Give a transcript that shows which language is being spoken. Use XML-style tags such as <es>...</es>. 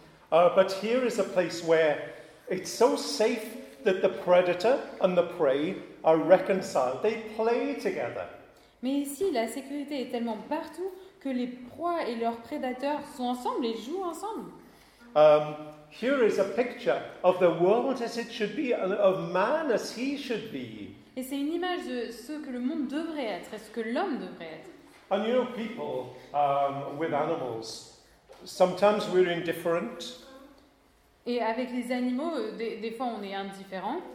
<en>But here is a place where it's so safe that the predator and the prey are reconciled. They play together.</en> <fr>Mais ici, la sécurité est tellement partout que les proies et leurs prédateurs sont ensemble et jouent ensemble.</fr> <en>Here is a picture of the world as it should be, of man as he should be.</en> <fr>Et c'est une image de ce que le monde devrait être, et ce que l'homme devrait être.</fr> <en>And you know, people with animals, sometimes we're indifferent.</en> <fr>Et avec les animaux, des fois, on est indifférent.</fr>